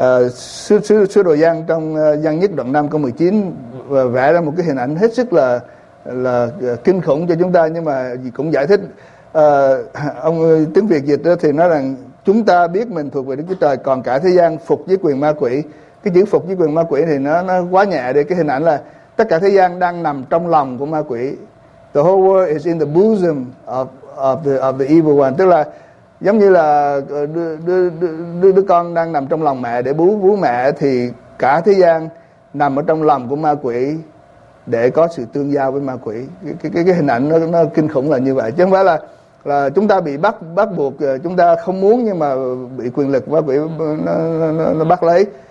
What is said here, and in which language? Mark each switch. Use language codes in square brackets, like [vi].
[vi] Sứ đồ Giăng trong Giăng nhất đoạn 5 câu 19 vẽ ra một cái hình ảnh hết sức là kinh khủng cho chúng ta, nhưng mà cũng giải thích. Ông tiếng Việt dịch thì nói rằng chúng ta biết mình thuộc về Đức Chúa Trời, còn cả thế gian phục dưới quyền ma quỷ. cái chữ phục dưới quyền ma quỷ thì nó quá nhẹ đi. Cái hình ảnh là tất cả thế gian đang nằm trong lòng của ma quỷ. [en] The whole world is in the bosom of the evil one. [vi] Tức là giống như là đứa con đang nằm trong lòng mẹ để bú mẹ, thì cả thế gian nằm ở trong lòng của ma quỷ để có sự tương giao với ma quỷ. Cái hình ảnh nó kinh khủng là như vậy, chứ không phải là chúng ta bị bắt buộc, chúng ta không muốn nhưng mà bị quyền lực ma quỷ nó bắt lấy.